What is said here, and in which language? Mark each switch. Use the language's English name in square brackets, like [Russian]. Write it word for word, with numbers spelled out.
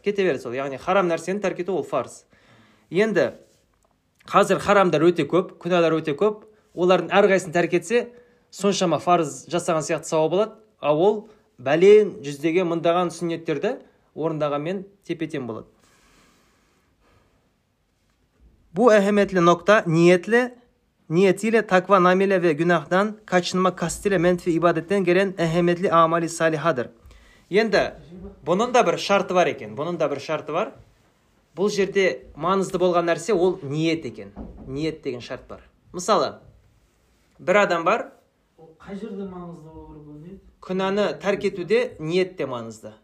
[Kazakh] Кете береді сол, яғни харам нәрсені тәрк ету ол фарз. Енді қазір харамдар өте көп, күнәлар өте көп. Олардың әрқайсысын тәрк етсе, соншама фарз жасаған сияқты сауап болады, ал ол бәлен жүздеген мыңдаған сүннеттерді орындағанмен тепе-тең болады. [Turkish] Bu ehemmetli nokta niyetle niyetiyle takva namile ve günahdan kaçınma kastıyla menfi ibadetten gelen ehemmetli amali salihadır. [Kazakh] Енді бұның да бір шарты бар екен. Бұның да бір шарты бар. Бұл жерде маңызды болған нәрсе ол ниет екен. Ниет деген шарт бар. Мысалы, бір адам бар. Қай жерде маңызды болуы керек? Күнәні тәрк етуде ниет те маңызды.